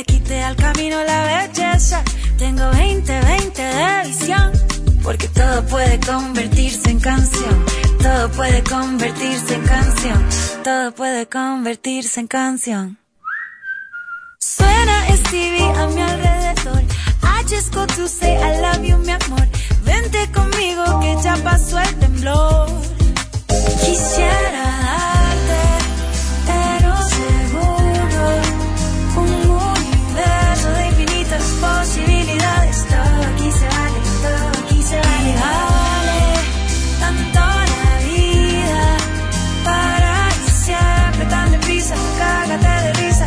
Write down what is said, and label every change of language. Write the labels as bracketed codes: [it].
[es] Al camino la belleza, tengo 20-20 de visión. porque todo puede convertirse en canción. Todo puede convertirse en canción. Todo puede convertirse en canción. Suena Stevie a mi alrededor. [en] I just got to say I love you, [es] mi amor. Vente conmigo que ya pasó el temblor. Quisiera darte, pero seguro, un universo de infinitas posibilidades. Todo aquí se vale, todo aquí se vale. Y vale tanto la vida, para y siempre tan deprisa, cágate de risa.